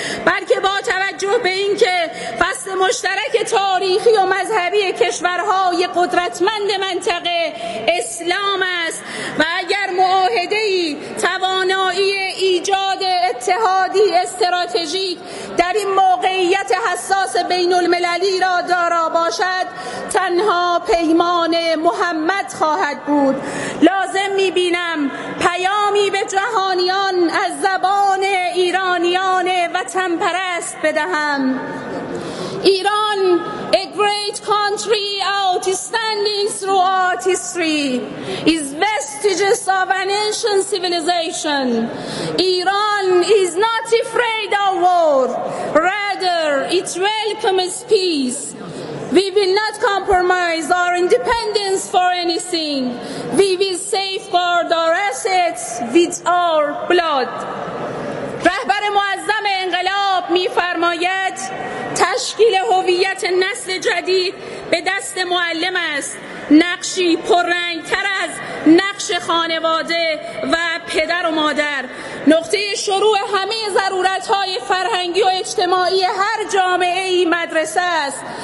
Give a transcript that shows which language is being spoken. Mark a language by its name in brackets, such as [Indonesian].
[Persian] بلکه با توجه به اینکه فصل مشترک تاریخی و مذهبی کشورهای قدرتمند منطقه اسلام است و اگر معاهده‌ای توانایی ایجاد اتحادی استراتژیک در این موقعیت حساس بین المللی را دارا باشد، تنها پیمان محمد خواهد بود. لازم می‌بینم پیامی به جهانیان از زبان ایرانیان وطن پرست بدهم. [English] Iran a great country outstanding throughout history is vestiges of an ancient civilization. Iran is not afraid of war, rather it welcomes peace. We will not compromise our independence for anything. We will safeguard our assets with our blood. [Persian] رهبر معظم انقلاب می‌فرماید تشکیل هویت نسل جدید به دست معلم است. نقشی پررنگ‌تر از نقش خانواده و پدر و مادر. نقطه شروع همه ضرورت‌های فرهنگی و اجتماعی هر جامعه ای مدرسه است.